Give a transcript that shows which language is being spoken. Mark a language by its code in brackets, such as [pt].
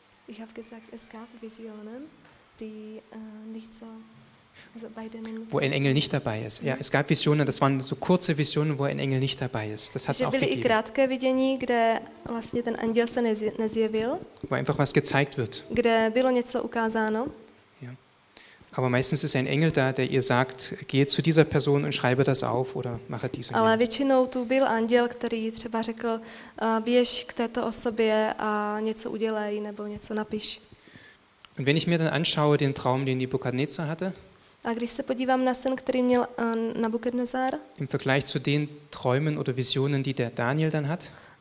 [de] Ich habe gesagt, es gab Visionen, die nicht so... Also bei denen, wo ein Engel nicht dabei ist. Ja, es gab Visionen, das waren so kurze Visionen, wo ein Engel nicht dabei ist. Das hat es auch gegeben. [cs] I krátké vidění, kde vlastně ten anděl se nezjevil. [de] Wo einfach was gezeigt wird. [cs] Kde bylo něco ukázáno. [de] Ja. Aber meistens ist ein Engel da, der ihr sagt, geh zu dieser Person und schreibe das auf oder mache dies und jenes. [cs] Ale většinou tu byl anděl, který třeba řekl, běž k této osobě a něco udělej nebo něco napiš. [de] Und wenn ich mir dann anschaue den Traum, den Nebukadnezar hatte, [cs] a když se podívám na sen, který měl Nabukadnezar, [de] im Vergleich zu den Träumen oder Visionen, die der Daniel dann hat,